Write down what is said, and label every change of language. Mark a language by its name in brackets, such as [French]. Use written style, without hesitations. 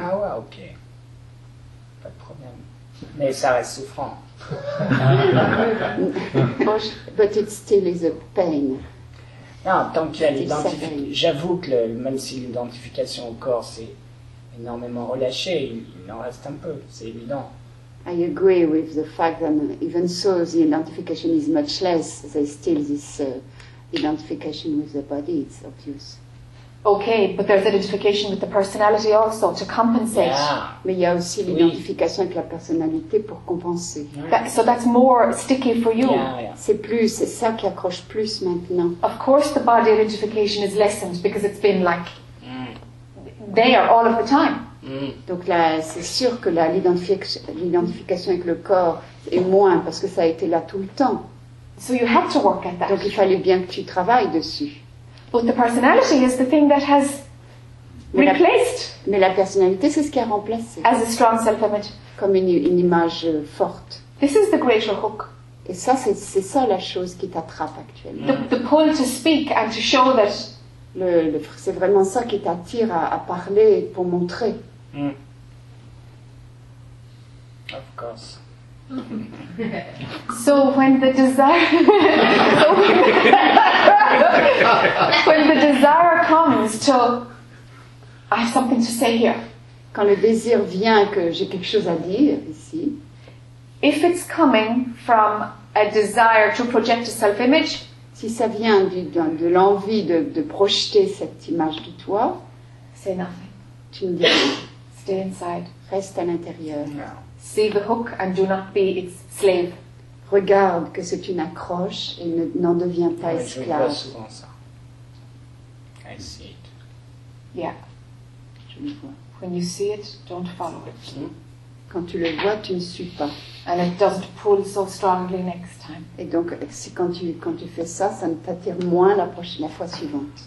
[French] Ah ouais, ok. Pas de problème. Mais ça reste souffrant. [English] But it still is a pain. [French] Non, tant qu'il y a l'identification, j'avoue que même si l'identification au corps s'est énormément relâchée, il en reste un peu, c'est évident. [English] I agree with the fact that even so, the identification is much less, there's still this identification with the body, it's obvious. Okay, but there's identification with the personality also, to compensate. Yeah. [French] Mais il y a aussi l'identification avec la personnalité pour compenser. [English] So that's more sticky for you. Yeah. [French] C'est ça qui accroche plus maintenant. [English] Of course the body identification is lessened because it's been like there all of the time. [French] Donc là, c'est sûr que l'identification avec le corps est moins parce que ça a été là tout le temps. [English] So you have to work at that. [French] Donc il fallait bien que tu travailles dessus. [English] But the personality is the thing that has replaced. [French] Mais la personnalité, c'est ce qui a remplacé. [English] As a strong self-image. [French] Comme une image forte. [English] This is the greater hook. [French] Et ça, c'est ça la chose qui t'attrape actuellement. [English] The pull to speak and to show that. [French] C'est vraiment ça qui t'attire à parler pour montrer. Mm. [English] Of course. So when the desire comes to I have something to say here. [French] Quand le désir vient que j'ai quelque chose à dire ici. [English] If it's coming from a desire to project a self-image, [French] si ça vient de l'envie de projeter cette image de toi, [English] say nothing. [French] Tu me dis, [English] stay inside. [French] Reste à l'intérieur. [English] No. See the hook and do not be its slave. [French] Regarde que c'est une accroche et n'en deviens pas esclave. Je vois souvent ça. [English] I see it. Yeah. [French] Je le vois. [English] When you see it, don't follow it. [French] Quand tu le vois, tu ne suis pas. [English] And it doesn't pull so strongly next time. [French] Et donc, si quand tu fais ça, ça ne t'attire moins la fois suivante.